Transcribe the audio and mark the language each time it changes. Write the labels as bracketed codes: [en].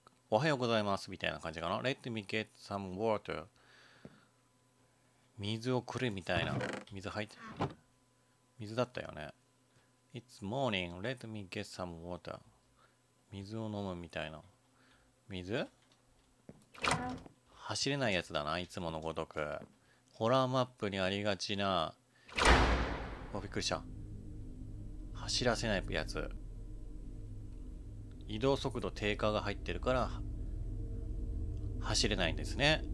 [ja] おはようございますみたいな感じかな。 [en] Let me get some water、 [ja] 水をくれみたいな。水入って水だったよね。 [en] It's morning, let me get some water、 [ja] 水を飲むみたいな。水、走れないやつだな、いつものごとく。ホラーマップにありがちな、びっくりした、走らせないやつ。移動速度低下が入ってるから走れないんですね。